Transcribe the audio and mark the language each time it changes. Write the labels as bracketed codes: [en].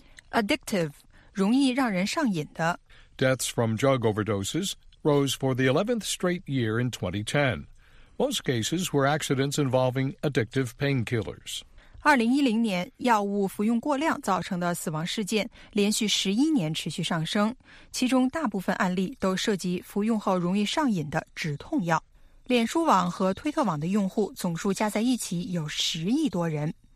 [zh] Addictive, 容易让人上瘾的。 [en] Deaths from drug overdoses rose for the 11th straight year in 2010. Most cases were accidents involving addictive painkillers. [zh] 2010年药物服用过量造成的死亡事件连续11年持续上升，其中大部分案例都涉及服用后容易上瘾的止痛药。脸书网和推特网的用户总数加在一起有10亿多人。